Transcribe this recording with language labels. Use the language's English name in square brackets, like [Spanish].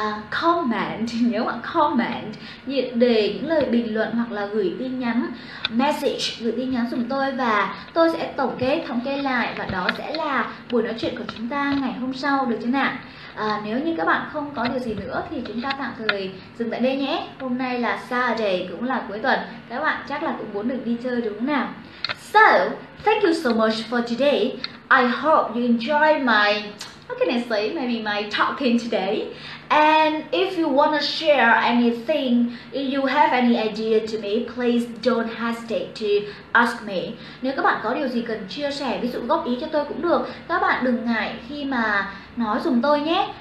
[Vietnamese] comment, nhớ bạn comment, để những lời bình luận hoặc là gửi tin nhắn, message, gửi tin nhắn dùng tôi, và tôi sẽ tổng kết, thống kê lại, và đó sẽ là buổi nói chuyện của chúng ta ngày hôm sau, được chưa nào? Nếu như các bạn không có điều gì nữa thì chúng ta tạm thời dừng tại đây nhé. Hôm nay là Saturday, cũng là cuối tuần, các bạn chắc là cũng muốn được đi chơi đúng không nào? [English] So, thank you so much for today. I hope you enjoy my, how can I say, maybe my talking today. And if you wanna share anything, if you have any idea to me, please don't hesitate to ask me. [Vietnamese] Nếu các bạn có điều gì cần chia sẻ, ví dụ góp ý cho tôi cũng được, các bạn đừng ngại khi mà nói dùm tôi nhé.